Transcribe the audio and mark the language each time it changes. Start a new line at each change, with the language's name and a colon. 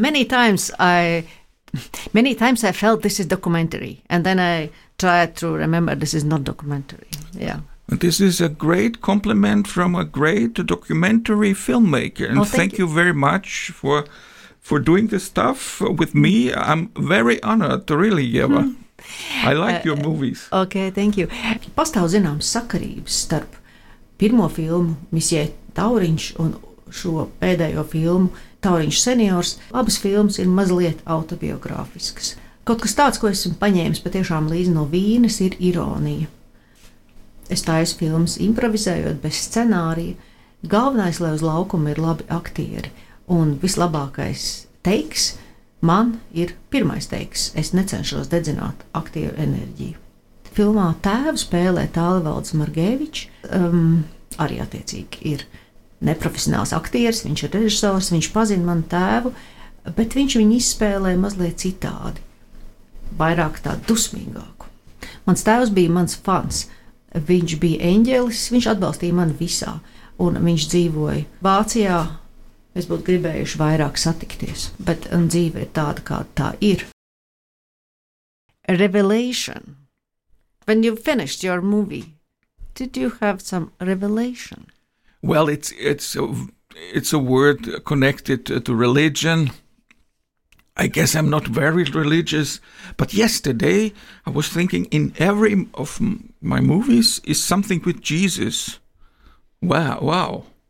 English: Many times I felt this is documentary, and then I tried to remember this is not documentary. Yeah. This is a great compliment from a great documentary filmmaker. And thank you very much for doing this stuff with me. I'm very honored, really, Ieva. I like your movies. Okay, thank you.
Latvian: Pastāv zināms sakarības starp pirmo filmu Misija Tauriņš un šo pēdējo filmu Tauriņš seniors. Abas filmas ir mazliet autobiogrāfiskas. Kaut kas tāds, ko esmu paņēmis patiešām līdzi no Vīnes, ir ironija. Es taisu filmas improvizējot bez scenārija. Galvenais, lai uz laukuma ir labi aktieri. Un vislabākais teiks man ir pirmais teiks. Es necenšos dedzināt aktieru enerģiju. Filmā tēvu spēlē Tālivalds Margevičs. Arī attiecīgi ir neprofesionāls aktieris, viņš ir režisors, viņš pazina manu tēvu, bet viņš viņu izspēlē mazliet citādi, vairāk tā dusmīgāku. Mans tēvs bija mans fans, viņš bija eņģelis, viņš atbalstīja mani visā, un viņš dzīvoja Vācijā, es būtu gribējuši vairāk satikties, bet dzīve ir tāda, kā tā ir.
English: Revelation. When you finished your movie, did you have some revelation? Well, it's a word connected to religion. I guess I'm not very religious, but yesterday I was thinking in every of my movies is something with Jesus. Wow.